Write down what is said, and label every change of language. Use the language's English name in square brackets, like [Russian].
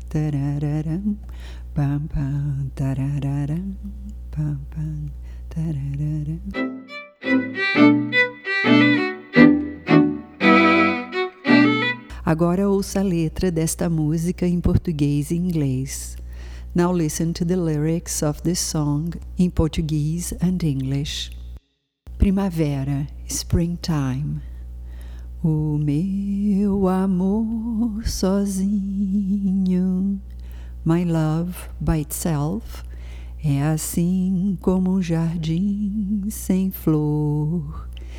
[Portuguese] Tarararam, pam pam, tarararam, pam pam, tarararam. Agora ouça a letra desta música em português e inglês. [English] Now listen to the lyrics of this song in Portuguese and English. [Portuguese] Primavera, [English] springtime. [Portuguese] O meu amor sozinho, [English] my love by itself, [Portuguese] é assim como um jardim sem flor.